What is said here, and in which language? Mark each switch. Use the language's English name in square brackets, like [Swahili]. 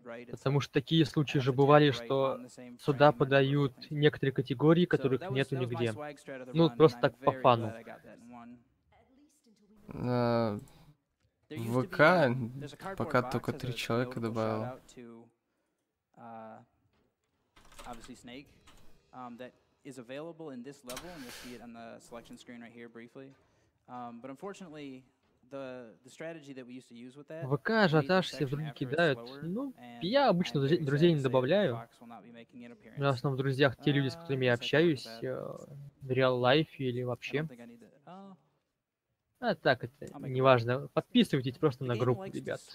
[Russian] Потому что такие случаи же бывали, что сюда подают некоторые категории, которых нету нигде. Ну, просто так по фану. На ВК пока только 3 человека добавил. [English] Obviously Snake, that is available in this level, and you'll see it on the selection screen right here briefly. But unfortunately, the strategy that we used to use with that. [Russian] ВК ажиотаж, все вдруг кидают. Ну, я обычно друзей не добавляю. У нас в друзьях те люди, с которыми я общаюсь в реал лайфе или вообще. А так, это неважно. Подписывайтесь просто на группу, ребят.